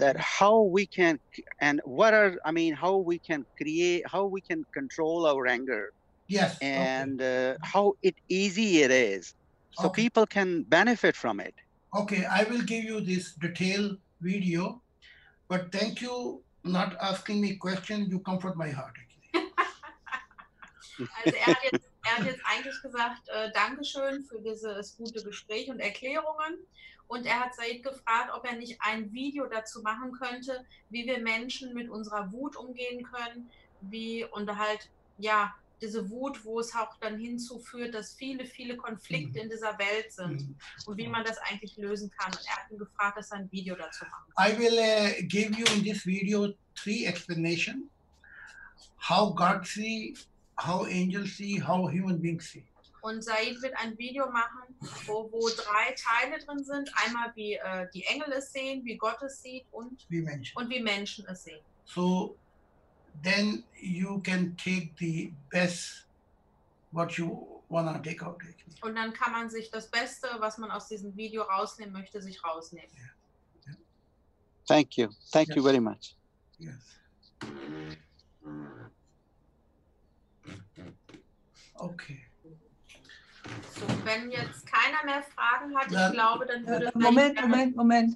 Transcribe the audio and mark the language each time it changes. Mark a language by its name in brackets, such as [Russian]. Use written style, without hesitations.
[English] That how we can control our anger. Yes. And okay. How easy it is. So okay. People can benefit from it. Okay, I will give you this detailed video, but thank you not asking me questions. You comfort my heart. [German] Also er hat jetzt eigentlich gesagt, Dankeschön für dieses gute Gespräch und Erklärungen. Und er hat Said gefragt, ob er nicht ein Video dazu machen könnte, wie wir Menschen mit unserer Wut umgehen können, wie und halt, ja, diese Wut, wo es auch dann hinzuführt, dass viele, viele Konflikte in dieser Welt sind und wie man das eigentlich lösen kann. Und er hat ihn gefragt, dass er ein Video dazu machen kann. [English] I will give you in this video 3 explanations, how God see, how angels see, how human beings see. [German] Und Said wird ein Video machen, wo 3 Teile drin sind. Einmal wie die Engel es sehen, wie Gott es sieht und wie Menschen. Und wie Menschen es sehen. [English] So, then you can take the best, what you wanna take out. [German] Und dann kann man sich das Beste, was man aus diesem Video rausnehmen möchte, sich rausnehmen. [English] Yeah. Yeah. Thank you. Thank yes. you very much. Yes. Okay. [German] So, wenn jetzt keiner mehr Fragen hat, ich glaube, dann würde...